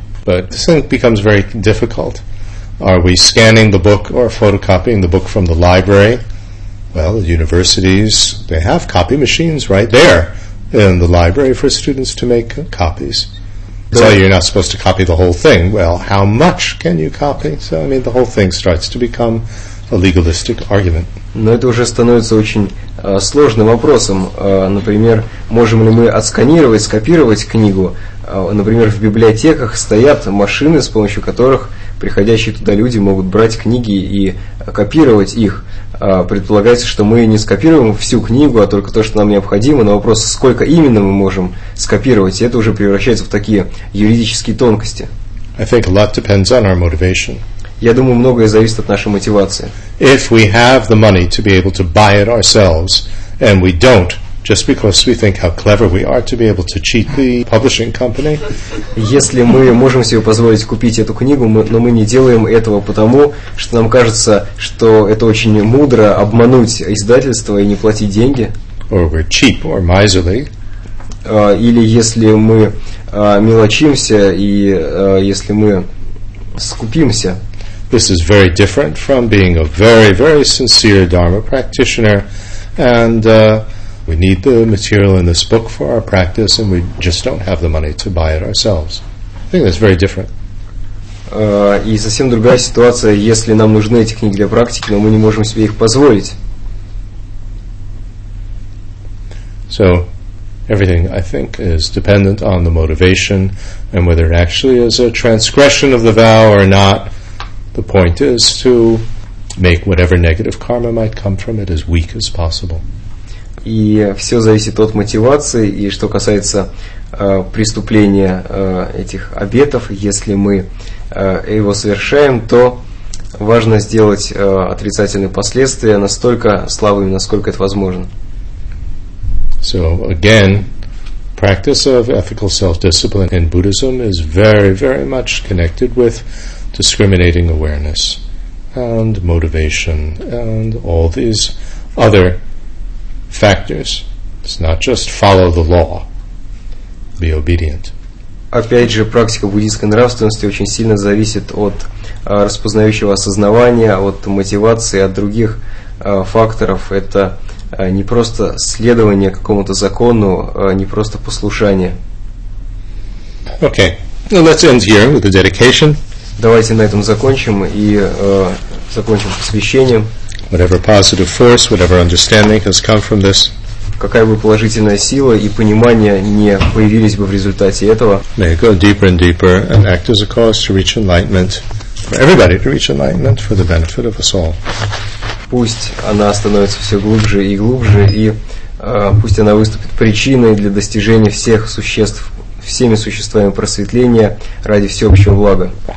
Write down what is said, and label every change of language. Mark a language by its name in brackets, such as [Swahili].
[English] But this thing becomes very difficult. Are we scanning the book or photocopying the book from the library? Well, the universities, they have copy machines right there in the library for students to make copies. So you're not supposed to copy the whole thing. Well, how much can you copy? So, I mean, the whole thing starts to become a legalistic argument. [Russian] Но это уже становится очень сложным вопросом. Например, можем ли мы отсканировать, скопировать книгу? Например, в библиотеках стоят машины, с помощью которых приходящие туда люди могут брать книги и копировать их. Предполагается, что мы не скопируем всю книгу, а только то, что нам необходимо. Но вопрос, сколько именно мы можем скопировать, это уже превращается в такие юридические тонкости. [English] I think a lot depends on our motivation. [Russian] Я думаю, многое зависит от нашей мотивации. [English] If we have the money to be able to buy it ourselves, and we don't, just because we think how clever we are to be able to cheat the publishing company. [Russian] Если мы можем себе позволить купить эту книгу, но мы не делаем этого потому, что нам кажется, что это очень мудро обмануть издательство и не платить деньги. [English] Or we're cheap or miserly. [Russian] Или если мы мелочимся и если мы скупимся. [English] This is very different from being a very, very sincere Dharma practitioner, and we need the material in this book for our practice, and we just don't have the money to buy it ourselves. I think that's very different. [Russian] И совсем другая ситуация, если нам нужны эти книги для практики, но мы не можем себе их позволить. [English] So, everything, I think, is dependent on the motivation, and whether it actually is a transgression of the vow or not. The point is to make whatever negative karma might come from it as weak as possible. [Russian] И все зависит от мотивации, и что касается преступления этих обетов, если мы его совершаем, то важно сделать отрицательные последствия настолько слабыми, насколько это возможно. [English] So again, practice of ethical self-discipline in Buddhism is very, very much connected with discriminating awareness and motivation and all these other factors. It's not just follow the law, be obedient. [Russian] Опять же, практика буддийской нравственности очень сильно зависит от распознающего осознавания, от мотивации, от других факторов. Это не просто следование какому-то закону, не просто послушание. [English] Okay, now let's end here with the dedication. [Russian] Давайте на этом закончим и закончим посвящением. [English] Whatever positive force, whatever understanding has come from this. [Russian] Какая бы положительная сила и понимание не появились бы в результате этого. [English] May it go deeper and deeper and act as a cause to reach enlightenment. For everybody to reach enlightenment for the benefit of us all. [Russian] Пусть она становится все глубже и глубже, и пусть она выступит причиной для достижения всех существ, всеми существами просветления ради всеобщего блага.